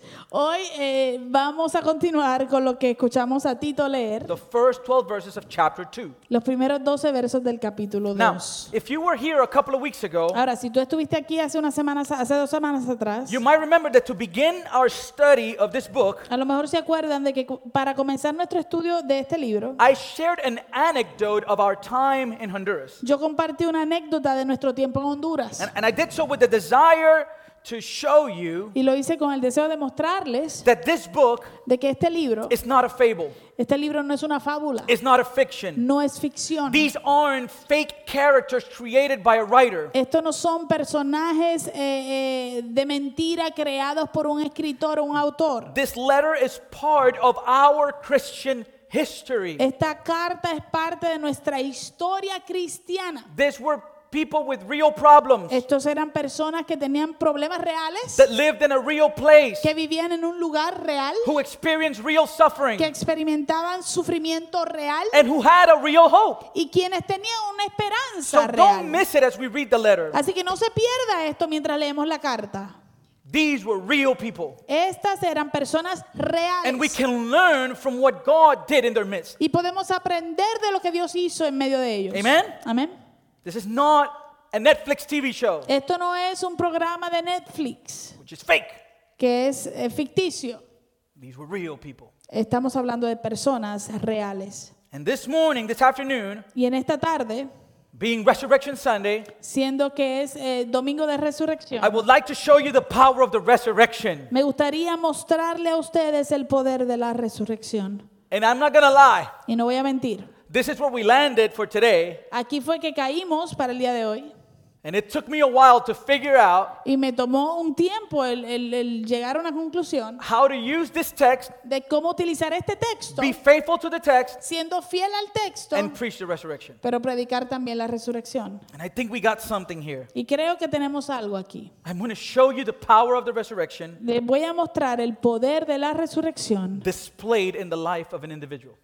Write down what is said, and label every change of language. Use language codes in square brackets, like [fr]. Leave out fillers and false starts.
[es] Hoy vamos a continuar con lo que escuchamos a Tito leer. [en] The first 12 verses of chapter 2. [es] Los primeros 12 versos del capítulo 2. [en] Now, if you were here a couple of weeks ago, [es] ahora si tú estuviste aquí hace dos semanas atrás, [en] you might remember that to begin our study of this book, [es] a lo mejor se acuerdan de que para comenzar nuestro estudio de este libro, [en] I shared an anecdote of our time in Honduras. [es] Yo compartí una anécdota de nuestro tiempo en Honduras. [en] And I did so with the desire to show you, [es] y lo hice con el deseo de mostrarles, [en] that this book, [es] de que este libro, [en] is not a fable. [es] Este libro no es una fábula. [en] It's not a fiction. [es] No es ficción. [en] These aren't fake characters created by a writer. [es] Estos no son personajes de mentira creados por un escritor o un autor. [en] This letter is part of our Christian history. [es] Esta carta es parte de nuestra historia cristiana. [en] These were people with real problems. [es] Estos eran personas que tenían problemas reales. [en] That lived in a real place. [es] Que vivían en un lugar real. [en] Who experienced real suffering. [es] Que experimentaban sufrimiento real. [en] And who had a real hope. [es] Y quienes tenían una esperanza real. [en] So don't miss it as we read the letter. [es] Así que no se pierda esto mientras leemos la carta. [en] These were real people. [es] Estas eran personas reales. [en] And we can learn from what God did in their midst. [es] Y podemos aprender de lo que Dios hizo en medio de ellos. [en] Amen. [es] Amen. [en] This is not a Netflix TV show. [es] Esto no es un programa de Netflix. [en] Which is fake. [es] Que es ficticio. [en] These were real people. [es] Estamos hablando de personas reales. [en] And this morning, this afternoon, [es] y en esta tarde, [en] being Resurrection Sunday, [es] siendo que es Domingo de Resurrección, [en] I would like to show you the power of the resurrection. [es] Me gustaría mostrarle a ustedes el poder de la resurrección. [en] And I'm not gonna lie. [es] Y no voy a mentir. [en] This is where we landed for today. [es] Aquí fue que caímos para el día de hoy. [en] And it took me a while to figure out. [es] Y me tomó un tiempo el llegar a una conclusión. [en] How to use this text. [es] De cómo utilizar este texto. [en] Be faithful to the text. [es] Siendo fiel al texto. [en] And preach the resurrection. [es] Pero predicar también la resurrección. [en] And I think we got something here. [es] Y creo que tenemos algo aquí. [en] I'm going to show you the power of the resurrection. [es] Les voy a mostrar el poder de la resurrección. [en] Displayed in the life of an individual.